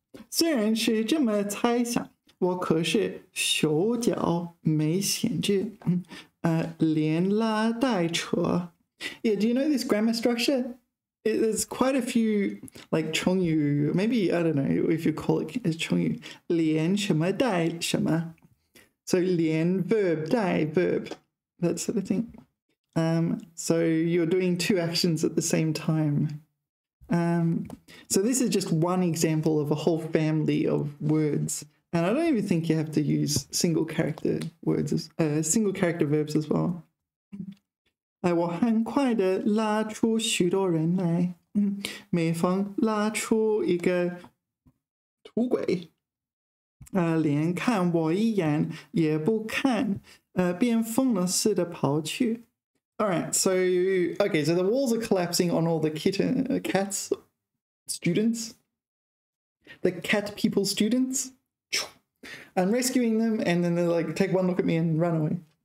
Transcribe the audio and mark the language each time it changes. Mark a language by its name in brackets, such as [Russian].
[Chinese] 虽然是这么猜想，我可是手脚没闲着，连拉带扯。 [English] Yeah, do you know this grammar structure? There's quite a few, chongyu, maybe, I don't know if you call it chongyu, [Chinese] 连什么带什么。 [English] So 连 verb, 带 verb, that sort of thing. So you're doing two actions at the same time. So this is just one example of a whole family of words. And I don't even think you have to use single character words, single character verbs as well. [Chinese] 我很快地拉出许多人来，每方拉出一个土鬼，连看我一眼也不看，便疯了似的跑去。 [English] All right, so, okay, so the walls are collapsing on all the cats, students. The cat people students. I'm rescuing them, and then they're like, take one look at me and run away.